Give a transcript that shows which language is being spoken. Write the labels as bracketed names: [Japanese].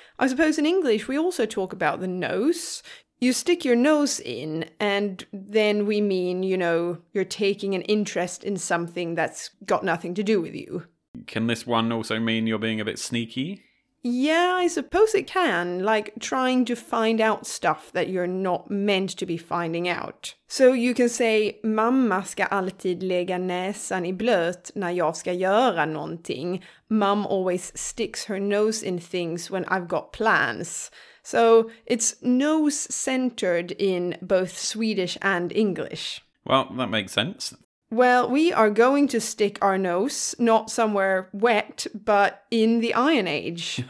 [English] I suppose in English we also talk about the nose. You stick your nose in, and then we mean, you know, you're taking an interest in something that's got nothing to do with you. Can this one also mean you're being a bit sneaky? Yeah, I suppose it can, like trying to find out stuff that you're not meant to be finding out. So you can say, [Swedish] mamma ska alltid lägga näsan i blöt när jag ska göra någonting. [English] Mum always sticks her nose in things when I've got plans. So it's nose-centered in both Swedish and English. Well, that makes sense. Well, we are going to stick our nose, not somewhere wet, but in the Iron Age.